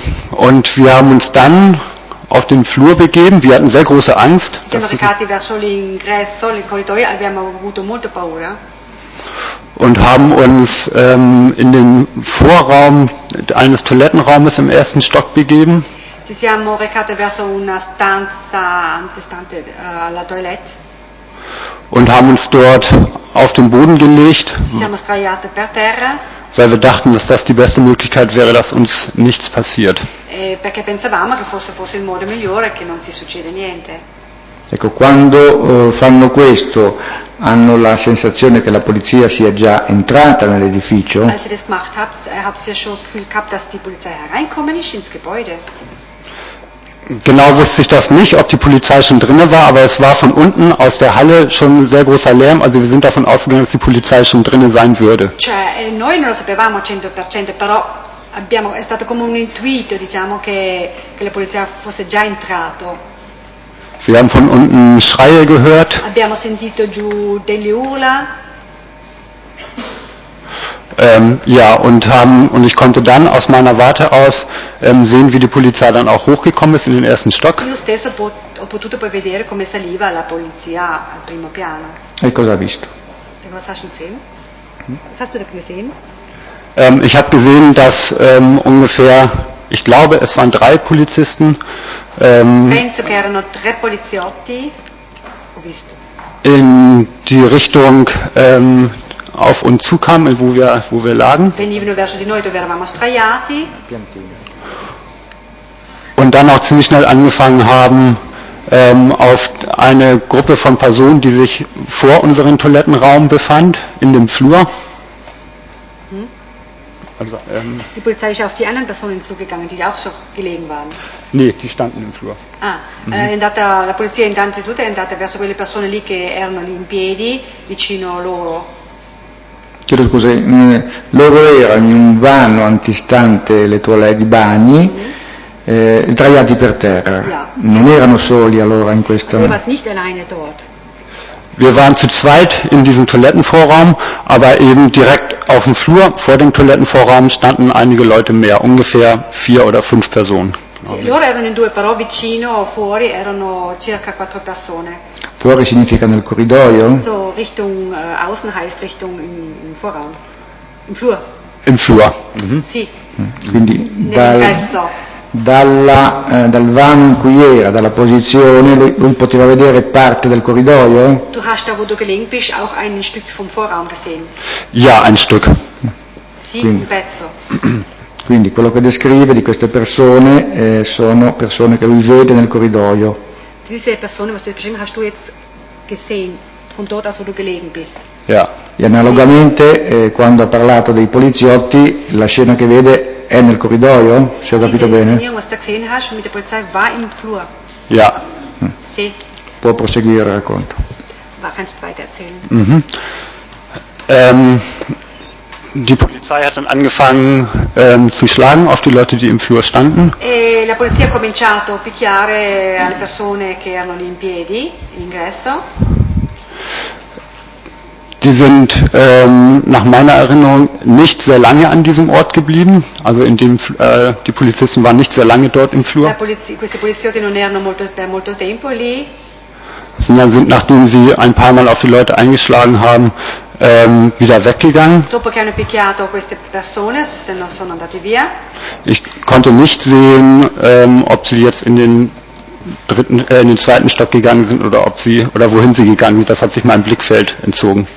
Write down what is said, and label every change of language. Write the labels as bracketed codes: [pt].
[de] Und wir haben uns dann auf den Flur begeben. Wir hatten sehr große Angst. [it] Siamo recati verso l'ingresso, il corridoio, abbiamo avuto molto paura. [de] Und haben uns in den Vorraum eines Toilettenraumes im ersten Stock begeben. [it] Ci siamo recati verso una stanza antestante alla toilette. [de] Und haben uns dort auf den Boden gelegt. [it] Ci siamo sdraiati per terra. [de] Weil wir dachten, dass das die beste Möglichkeit wäre, dass uns nichts passiert. [it] Perché pensavamo che fosse il modo migliore che non si succede niente. Ecco, quando fanno questo, hanno la sensazione che la polizia sia già entrata nell'edificio? [de] Als ihr das gemacht habt ihr schon das Gefühl gehabt, dass die Polizei hereinkommen ist ins Gebäude? Genau wusste ich das nicht, ob die Polizei schon drinne war, aber es war von unten aus der Halle schon sehr großer Lärm, also wir sind davon ausgegangen, dass die Polizei schon drinne sein würde. [it] Cioè, noi non lo sapevamo 100%, però abbiamo, è stato come un intuito, diciamo, che la polizia fosse già entrato. [de] Wir haben von unten Schreie gehört. [it] Abbiamo sentito giù delle urla. [de] Ja, und ich konnte dann aus meiner Warte aus sehen, wie die Polizei dann auch hochgekommen ist in den ersten Stock. [it] Io stesso ho potuto poi vedere come saliva la polizia al primo piano. E cosa hai visto? E cosa [de] hast du gesehen? Was hast du da gesehen? Ich habe gesehen, dass ungefähr, ich glaube, es waren drei Polizisten. [it] Penso che erano tre poliziotti. Ho visto. [de] In die Richtung auf uns zukam, wo wir lagen. [it] Venivano verso di noi, dove eravamo straiati. [de] Und dann auch ziemlich schnell angefangen haben, auf eine Gruppe von Personen, die sich vor unserem Toilettenraum befand, in dem Flur. Also, die Polizei ist auf die anderen Personen zugegangen, die auch schon gelegen waren. Nee, die standen im Flur. [it] La polizia intanto è andata verso quelle persone lì che erano lì in piedi, vicino a loro. Chiedo scusa, loro erano in un vano antistante le toilette, i bagni, sdraiati per terra. [de] Ja. [it] Non erano soli allora in questo. [de] Also, war nicht alleine dort. Wir waren zu zweit in diesem Toilettenvorraum, aber eben direkt auf dem Flur vor dem Toilettenvorraum standen einige Leute mehr, ungefähr 4 oder 5 Personen. [it] Sì, loro erano in due, però vicino fuori erano circa 4 persone. Fuori significa nel corridoio? [de] So, Richtung außen heißt Richtung im Vorraum. Im Flur. Im Flur. [it] Sì. Quindi dal vano in cui era, dalla posizione, lui poteva vedere parte del corridoio? [de] Du hast da, wo du gelegen bist, auch ein Stück vom Vorraum gesehen. Ja, ein Stück. [it] Sì, quindi, un pezzo. Quindi quello che descrive di queste persone sono persone che lui vede nel corridoio. [de] Diese Person, was du beschrieben hast, du jetzt gesehen, von dort aus, wo du gelegen bist. Ja. [it] E analogamente, quando ha parlato dei poliziotti, la scena che vede è nel corridoio, se ho capito bene? [de] Diese Szene, was du gesehen hast, mit der Polizei, war im Flur. Ja. [it] Sì. Può proseguire il racconto. [de] Ma kannst du weiter erzählen. Die Polizei hat dann angefangen zu schlagen auf die Leute, die im Flur standen. [it] E la polizia ha cominciato a picchiare alle persone che erano lì in piedi, in ingresso. [de] Die sind nach meiner Erinnerung nicht sehr lange an diesem Ort geblieben, also in dem die Polizisten waren nicht sehr lange dort im Flur. [it] Questi poliziotti non erano per molto tempo lì. [de] Sondern sind, nachdem sie ein paar Mal auf die Leute eingeschlagen haben, wieder weggegangen. [it] Dopo che hanno picchiato queste persone, se non sono andati via. [de] Ich konnte nicht sehen, ob sie jetzt in den zweiten Stock gegangen sind oder ob sie oder wohin sie gegangen sind. Das hat sich meinem Blickfeld entzogen.